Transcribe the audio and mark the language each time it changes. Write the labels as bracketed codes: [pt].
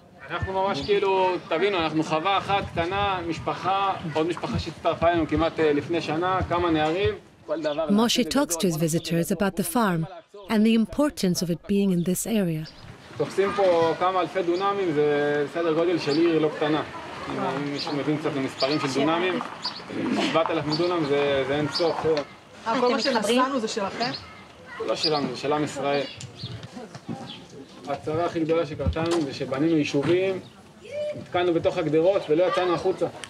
[he] אנחנו ממש כאילו, תבינו, אנחנו חווה אחת קטנה, משפחה, עוד משפחה שהצטרפה לנו כמעט לפני שנה, כמה נערים, כל דבר... [en] Moshe talks to his visitors about the farm and the importance of it being in this area. [he] תופסים פה כמה אלפי דונמים, זה סדר גודל של עיר לא קטנה. אם מישהו מבין קצת למספרים של דונמים, 7,000 דונם זה אין סוף. כל מה שנשאנו זה שלכם? לא שלנו, זה של עם ישראל. הצרה הכי גדולה שקרתה לנו זה שבנינו יישובים, נתקענו בתוך הגדרות ולא יצאנו החוצה.